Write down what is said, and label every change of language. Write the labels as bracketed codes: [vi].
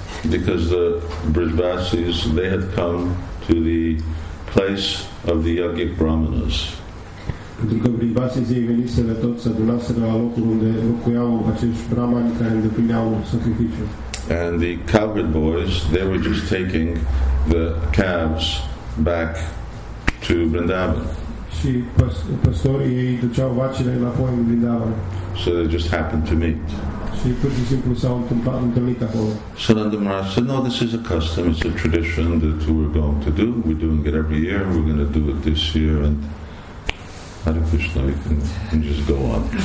[en] Because the Brijbasis, they had come to the place of the yogic brahmanas. [ro] Pentru că Brijbasis ei venisele toți să adunaseră la locul unde locuiau acești brahmani care îndeplineau sacrificiul. [en] And the cowherd boys, they were just taking the calves back to Vrindavan. [ro] Și păstorii ei duceau vacile înapoi în Vrindavan. [en] So they just happened to meet. [ro] Și pur și simplu s-au întâlnit acolo. [en] So Nanda Maharaj said, no, this is a custom, it's a tradition that we're going to do. We're doing it every year, we're going to do it this year, and Hare Krishna, you can just go on.